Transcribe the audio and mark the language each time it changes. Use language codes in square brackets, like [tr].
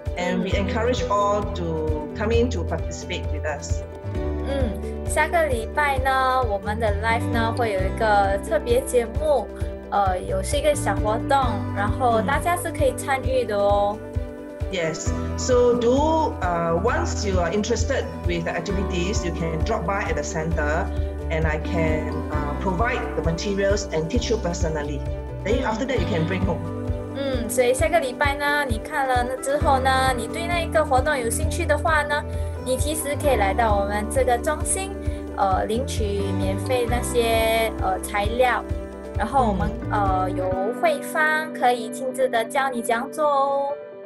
[en] And we encourage all to come in to participate with us. [zh] 嗯，下个礼拜呢，我们的 live 呢会有一个特别节目，有是一个小活动，然后大家是可以参与的哦。 [en] Yes. So do once you are interested with the activities, you can drop by at the center, and I can provide the materials and teach you personally. Then after that, you can bring home. [zh] 所以下个礼拜呢，你看了之后呢，你对那一个活动有兴趣的话呢，你其实可以来到我们这个中心，领取免费那些材料，然后我们由慧芳可以亲自的教你怎样做哦。